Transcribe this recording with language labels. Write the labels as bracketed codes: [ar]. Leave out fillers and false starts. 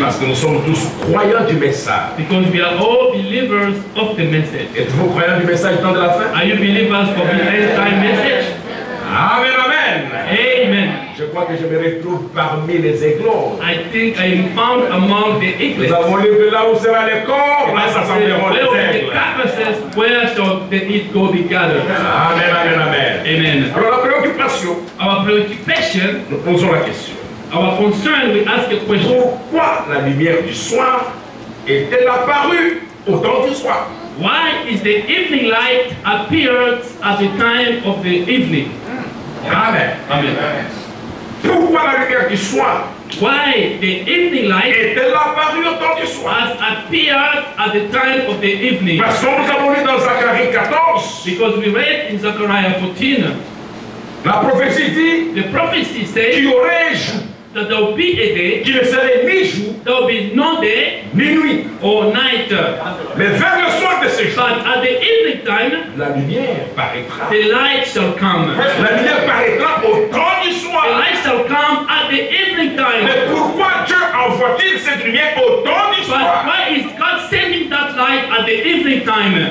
[fr] Parce que nous sommes tous croyants du message. [en] Because we are all believers of the message. [fr] Êtes-vous croyants du message du temps de la fin? [en] Are you believers of the end time message? Ah, Amen, amen. Amen. [fr] Je crois que je me retrouve parmi les églos. [en] I think I am found among the eagles. [fr] Nous avons lu que là où sera le corps, là s'assembleront les aigles. [en] Where the carcasses, where shall the eagles be gathered? Amen, amen, amen. Amen. [fr] Alors la préoccupation. [en] Our preoccupation. [fr] Nous posons la question. [en] Our concern, we ask a question. [fr] Pourquoi la lumière du soir est-elle apparue au temps du soir? [en] Why is the evening light appeared at the time of the evening? Amen. Amen. [fr] Pourquoi la lumière du soir? [en] Why the evening light [fr] est-elle apparue au temps du soir? [en] Has appeared at the time of the evening. [fr] Parce que nous avons lu dans Zacharie 14. [en] Because we read in Zechariah 14. [fr] La prophétie dit. [en] The prophecy says. [fr] Qu'il y aurait un jour. [en] That there will be a day. [fr] Qui ne serait ni jour. [en] There will be no day. [fr] Ni nuit. [en] Or night. [fr] Mais vers le soir de ce jour. [en] But at the evening time. [fr] La lumière paraîtra. [en] The light shall come. [fr] La lumière paraîtra au temps du soir. [en] The light shall come at the evening time. [fr] Mais pourquoi Dieu envoie-t-il cette lumière au temps du soir? [en] But why is God sending that light at the evening time?